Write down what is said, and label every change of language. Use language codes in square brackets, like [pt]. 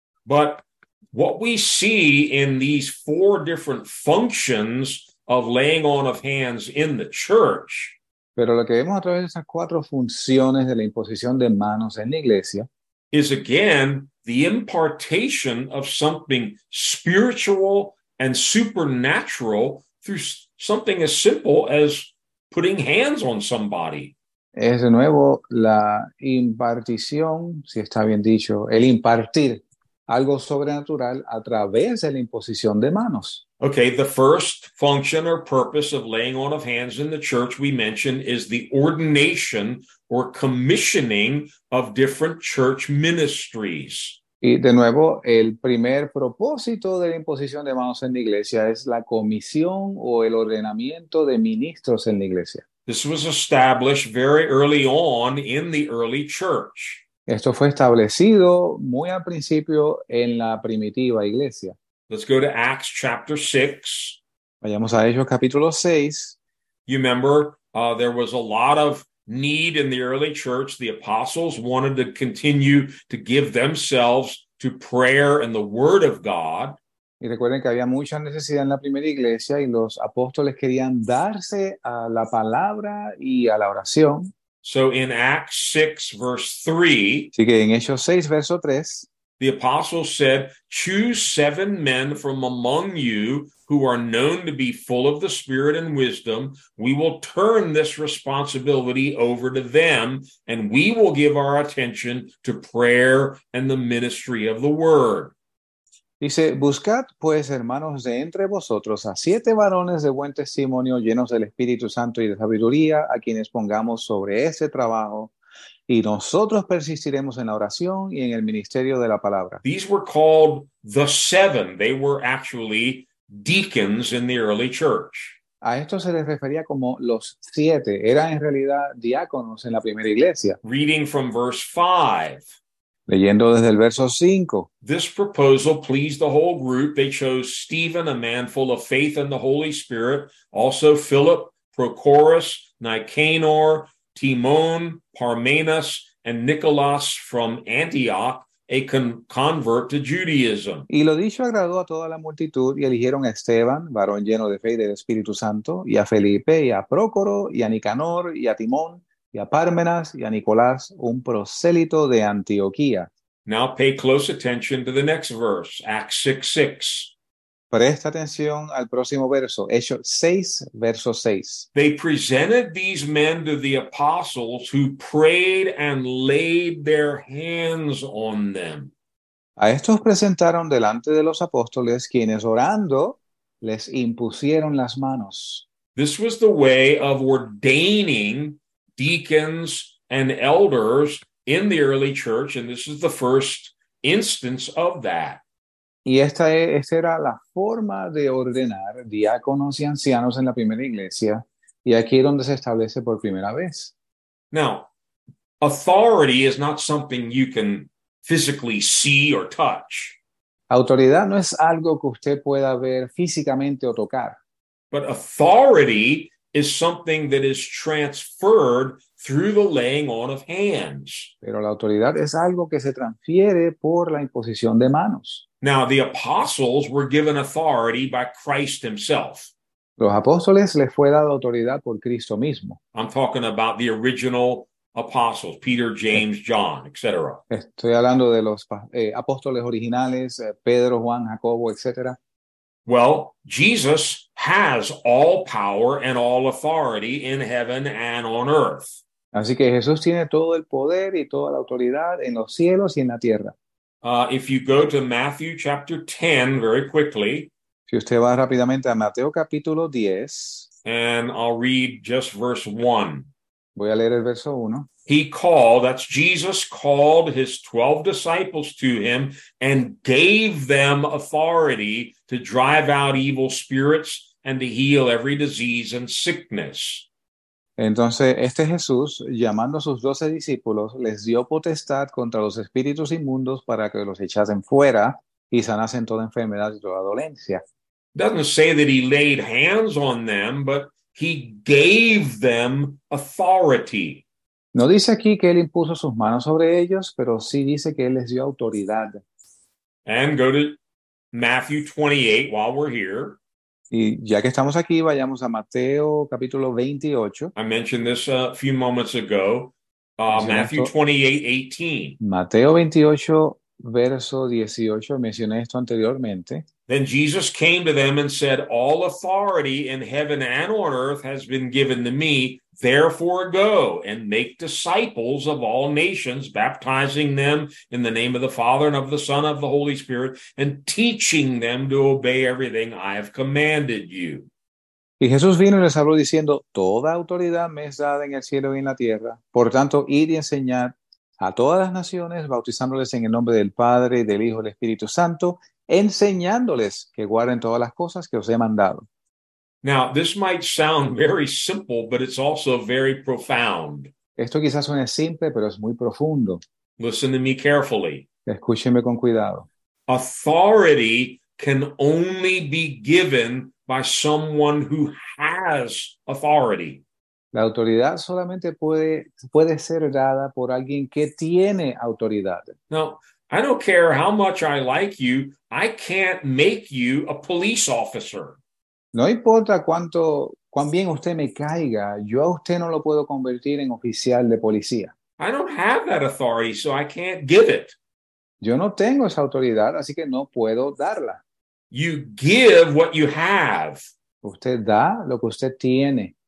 [en] But what we see in these four different functions of laying on of hands in the church. [es] Pero lo que vemos a través de esas cuatro funciones de la imposición de manos en la iglesia [en] is again the impartation of something spiritual and supernatural through something as simple as putting hands on somebody. [es] Es de nuevo la impartición, si está bien dicho, el impartir algo sobrenatural a través de la imposición de manos. [en] Okay, the first function or purpose of laying on of hands in the church we mentioned is the ordination or commissioning of different church ministries. [es] Y de nuevo, el primer propósito de la imposición de manos en la iglesia es la comisión o el ordenamiento de ministros en la iglesia. [en] This was established very early on in the early church. [es] Esto fue establecido muy al principio en la primitiva iglesia. [en] Let's go to Acts chapter 6. [es] Vayamos a Hechos capítulo 6. [en] You remember, there was a lot of need in the early church. The apostles wanted to continue to give themselves to prayer and the word of God. [es] Y recuerden que había mucha necesidad en la primera iglesia y los apóstoles querían darse a la palabra y a la oración. [en] So in Acts 6, verse 3, [es] así que en Hechos 6, verso 3, [en] the apostle said, choose 7 men from among you who are known to be full of the Spirit and wisdom. We will turn this responsibility over to them and we will give our attention to prayer and the ministry of the word. [es] Dice, buscad pues, hermanos, de entre vosotros a 7 varones de buen testimonio, llenos del Espíritu Santo y de sabiduría, a quienes pongamos sobre ese trabajo, y nosotros persistiremos en la oración y en el ministerio de la palabra. [en] These were called the 7. They were actually deacons in the early church. [es] A esto se les refería como los 7. Eran en realidad diáconos en la primera iglesia. [en] Reading from verse 5. [es] Leyendo desde el verso 5. [en] This proposal pleased the whole group. They chose Stephen, a man full of faith and the Holy Spirit, also Philip, Prochorus, Nicanor, Timon, Parmenas, and Nicholas from Antioch, a convert to Judaism. [es] Y lo dicho agradó a toda la multitud y eligieron a Esteban, varón lleno de fe y del Espíritu Santo, y a Felipe, y a Prócoro, y a Nicanor, y a Timón, y a Parmenas y a Nicolás, un prosélito de Antioquía. [en] Now pay close attention to the next verse, Acts 6:6. [es] Presta atención al próximo verso, Hechos 6, verso 6. [en] They presented these men to the apostles who prayed and laid their hands on them. [es] A estos presentaron delante de los apóstoles, quienes orando les impusieron las manos. [en] This was the way of ordaining deacons and elders in the early church, and this is the first instance of that. [es] Y esta era la forma de ordenar diáconos y ancianos en la primera iglesia, y aquí es donde se establece por primera vez. [en] Now, authority is not something you can physically see or touch. [es] Autoridad no es algo que usted pueda ver físicamente o tocar. [en] But authority is something that is transferred through the laying on of hands. [es] Pero la autoridad es algo que se transfiere por la imposición de manos. [en] Now, the apostles were given authority by Christ himself. [es] Los apóstoles les fue dada autoridad por Cristo mismo. [en] I'm talking about the original apostles, Peter, James, John, etc. [es] Estoy hablando de los apóstoles originales, Pedro, Juan, Jacobo, etc. [en] Well, Jesus has all power and all authority in heaven and on earth. [es] Así que Jesús tiene todo el poder y toda la autoridad en los cielos y en la tierra. [en] If you go to Matthew chapter 10 very quickly, [es] si usted va rápidamente a Mateo capítulo 10, [en] and I'll read just verse 1. [es] Voy a leer el verso 1. [en] He called, that's Jesus, called his 12 disciples to him and gave them authority to drive out evil spirits and to heal every disease and sickness. [es] Entonces, este Jesús, llamando a sus 12 discípulos, les dio potestad contra los espíritus inmundos para que los echasen fuera y sanasen toda enfermedad y toda dolencia. [en] Doesn't say that he laid hands on them, but he gave them authority. [es] No dice aquí que él impuso sus manos sobre ellos, pero sí dice que él les dio autoridad. [en] And go to Matthew 28 while we're here. [es] Y ya que estamos aquí, vayamos a Mateo capítulo 28. [en] I mentioned this a few moments ago. Matthew 28:18. [es] Mateo 28, verso 18. Mencioné esto anteriormente. [en] Then Jesus came to them and said, "All authority in heaven and on earth has been given to me. Therefore, go and make disciples of all nations, baptizing them in the name of the Father and of the Son and of the Holy Spirit, and teaching them to obey everything I have commanded you." [es] Y Jesús vino y les habló diciendo, "Toda autoridad me es dada en el cielo y en la tierra. Por tanto, id y enseñad a todas las naciones, bautizándoles en el nombre del Padre, del Hijo y del Espíritu Santo, enseñándoles que guarden todas las cosas que os he mandado." [en] Now, this might sound very simple, but it's also very profound. [es] Esto quizás suene simple, pero es muy profundo. [en] Listen to me carefully. [es] Escúcheme con cuidado. [en] Authority can only be given by someone who has authority. [es] La autoridad solamente puede ser dada por alguien que tiene autoridad. [en] Now, I don't care how much I like you, I can't make you a police officer. [es] No importa cuán bien usted me caiga, yo a usted no lo puedo convertir en oficial de policía. [en] I don't have that authority, so I can't give it. [es] Yo no tengo esa autoridad, así que no puedo darla. [en] You give what you have. [es] Usted da lo que usted tiene.